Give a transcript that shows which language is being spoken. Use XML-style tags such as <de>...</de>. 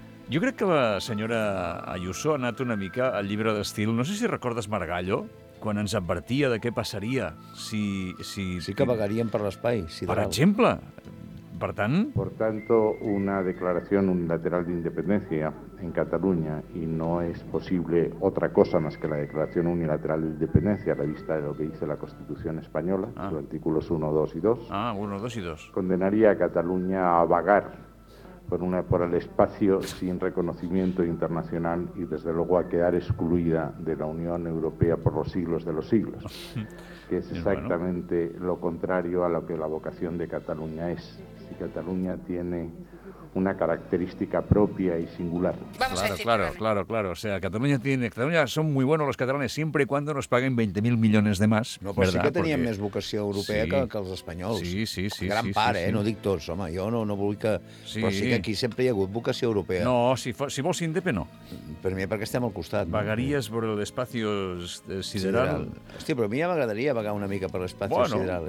<ca>Jo crec que la senyora Ayuso ha anat una mica al llibre d'estil. No sé si recordes Margallo, quan ens advertia de què passaria si... Sí que vagaríem per l'espai. Si per exemple, per tant...</ca> <es>Por tanto, una declaración unilateral de independencia en Cataluña y no es posible otra cosa más que la declaración unilateral de independencia a la vista de lo que dice la Constitución española, los artículos 1, 2 y 2. Ah, 1, 2 y 2. Condenaría a Cataluña a vagar por el espacio sin reconocimiento internacional y, desde luego, a quedar excluida de la Unión Europea por los siglos de los siglos, que es exactamente lo contrario a lo que la vocación de Cataluña es. Si Cataluña tiene una característica propia y singular. Claro. O sea, Cataluña son muy buenos los catalanes siempre y cuando nos paguen 20.000 millones de más, no, ¿verdad? Sí que tenían porque... más vocación europea que los españoles. Sí.</es> <ca>Gran part,</ca> <es>sí. No digo todos, hombre, yo no</es> <ca>vull que...</ca> <es>Sí. Pero sí que aquí siempre hay habido vocación europea.</es> <ca>No, si vols indepe, no. Per mi, perquè estem al costat. Vagaries per l'</ca> <es>espacio sideral.</es> <ca>Hòstia, però a mi ja m'agradaria vagar una mica per l'</ca> <es>espacio sideral.</es>